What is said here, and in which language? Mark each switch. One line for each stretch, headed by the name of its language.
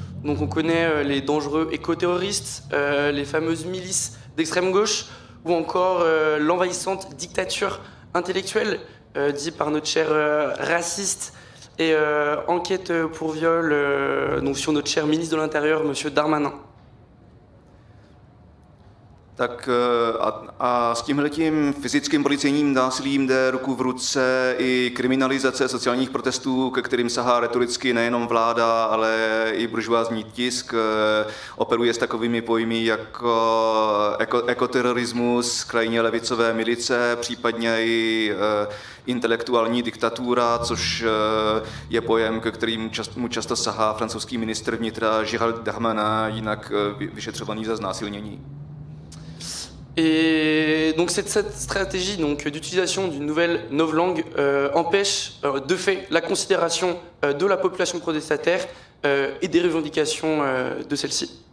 French: Donc on connaît les dangereux éco-terroristes, les fameuses milices d'extrême gauche ou encore l'envahissante dictature intellectuelle dite par notre cher raciste et enquête pour viol donc sur notre cher ministre de l'Intérieur, monsieur Darmanin.
Czech: Tak a s tímhletím fyzickým policejním násilím jde ruku v ruce i kriminalizace sociálních protestů, ke kterým sahá retoricky nejenom vláda, ale i buržoázní tisk. Operuje s takovými pojmy jako ekoterorismus, krajně levicové milice, případně i intelektuální diktatura, což je pojem, ke kterým mu často sahá francouzský ministr vnitra Gérald Darmanin, jinak vyšetřovaný za znásilnění.
French: Et donc cette stratégie donc, d'utilisation d'une nouvelle novlangue empêche de fait la considération de la population protestataire et des revendications de celle-ci.